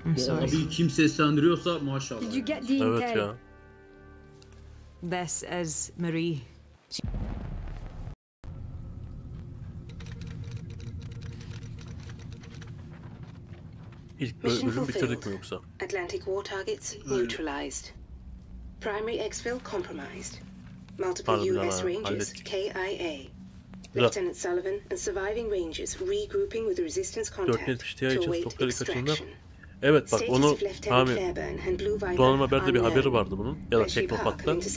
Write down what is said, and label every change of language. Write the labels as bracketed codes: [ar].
[tr] Abi kim seslendiriyorsa maşallah. [en] Did you get the intel? [tr] Evet ya. [en] This is Marie. [tr] İlk bölümü bitirdik mi yoksa? [en] Atlantic war targets neutralized. Primary exfil compromised. Multiple US rangers KIA. Lieutenant Sullivan and surviving rangers regrouping with resistance contact to await extraction. [tr] Evet bak onu abi donanım haberde bir haberi vardı bunun ya da Teknopat'ta.